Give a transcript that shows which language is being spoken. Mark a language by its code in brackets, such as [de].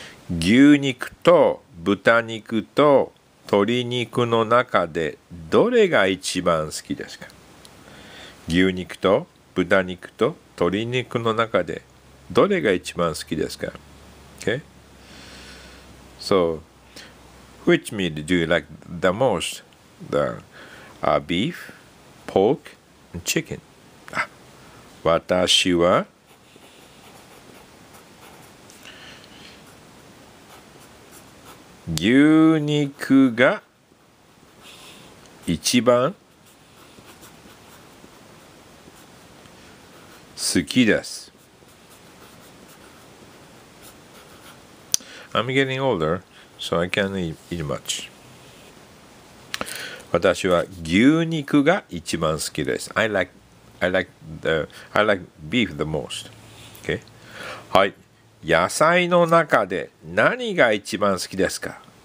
[ja] 牛肉と豚肉と鶏肉の中でどれが一番好きですか? 牛肉と豚肉と鶏肉の中でどれが一番好きですか? [en] Okay. So, which meat do you like the most? The beef, pork, and chicken. [ja] 私は牛肉が一番好きです。 [en] I'm getting older, so I can't eat much. [ja] 私は牛肉が一番好きです。 [en] I like beef the most. [ja] Okay. はい。野菜の中で何が一番好きですか?